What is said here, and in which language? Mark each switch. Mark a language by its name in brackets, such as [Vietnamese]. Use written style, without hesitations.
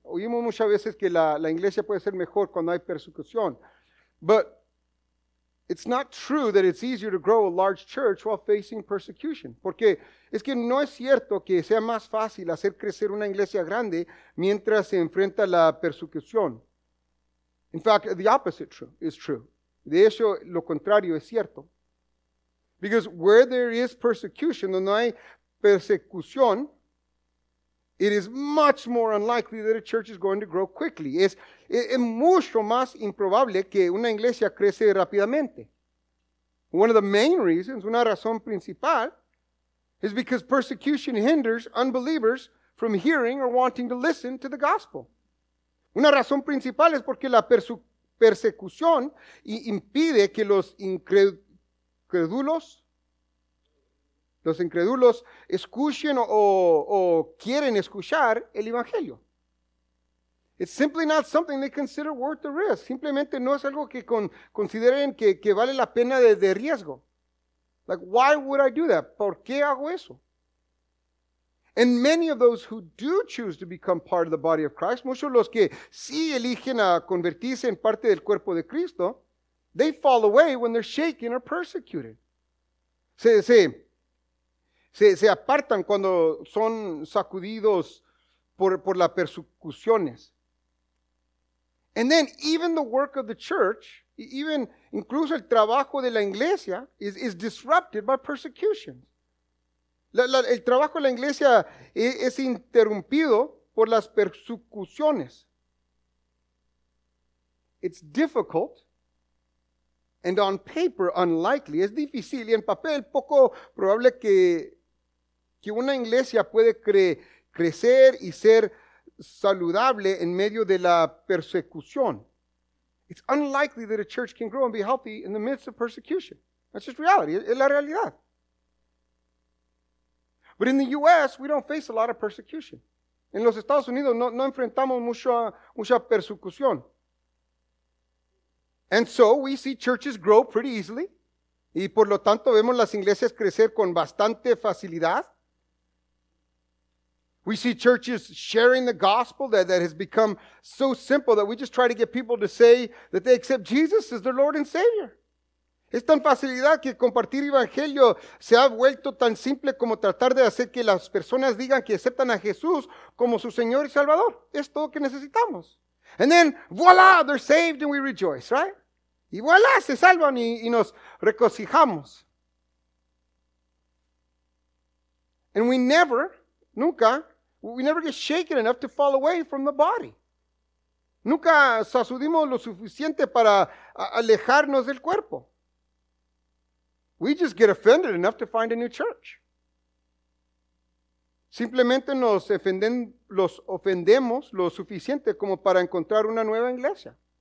[Spanish] Oímos muchas veces que la iglesia puede ser mejor cuando hay persecución. [English] But it's not true that it's easier to grow a large church while facing persecution. [Spanish] Porque es que no es cierto que sea más fácil hacer crecer una iglesia grande mientras se enfrenta la persecución. [English] In fact, the opposite is true. [Spanish] De hecho, lo contrario es cierto. [English] Because where there is persecution, [Spanish] donde hay persecución, [English] it is much more unlikely that a church is going to grow quickly. [Spanish] Es mucho más improbable que una iglesia crece rápidamente. [English] One of the main reasons, [Spanish] una razón principal, [English] is because persecution hinders unbelievers from hearing or wanting to listen to the gospel. [Spanish] Una razón principal es porque la persecución impide que los incrédulos escuchen o quieren escuchar el evangelio. [English] It's simply not something they consider worth the risk. [Spanish] Simplemente no es algo que consideren que vale la pena de riesgo. [English] Like, why would I do that? [Spanish] ¿Por qué hago eso? [English] And many of those who do choose to become part of the body of Christ, [Spanish] muchos de los que sí eligen a convertirse en parte del cuerpo de Cristo, [English] they fall away when they're shaken or persecuted. [Spanish] Se apartan cuando son sacudidos por las persecuciones. [English] And then even the work of the church, even [Spanish] incluso el trabajo de la iglesia, [English] is disrupted by persecution. [Spanish] El trabajo de la iglesia es interrumpido por las persecuciones. [English] It's difficult. And on paper, unlikely. [Spanish] Es difícil y en papel poco probable que una iglesia puede crecer y ser saludable en medio de la persecución. [English] It's unlikely that a church can grow and be healthy in the midst of persecution. That's just reality. [Spanish] Es la realidad. [English] But in the U.S., we don't face a lot of persecution. [Spanish] En los Estados Unidos no enfrentamos mucha persecución. [English] And so we see churches grow pretty easily. [Spanish] Y por lo tanto vemos las iglesias crecer con bastante facilidad. [English] We see churches sharing the gospel that has become so simple that we just try to get people to say that they accept Jesus as their Lord and Savior. [Spanish] Es tan facilidad que compartir evangelio se ha vuelto tan simple como tratar de hacer que las personas digan que aceptan a Jesús como su Señor y Salvador. Es todo que necesitamos. [English] And then, voila, they're saved and we rejoice, right? [Spanish] Y voilà, se salvan y nos regocijamos. [English] And we never, nunca, we never get shaken enough to fall away from the body. [Spanish] Nunca sacudimos lo suficiente para alejarnos del cuerpo. [English] We just get offended enough to find a new church. [Spanish] Simplemente nos ofendemos lo suficiente como para encontrar una nueva iglesia.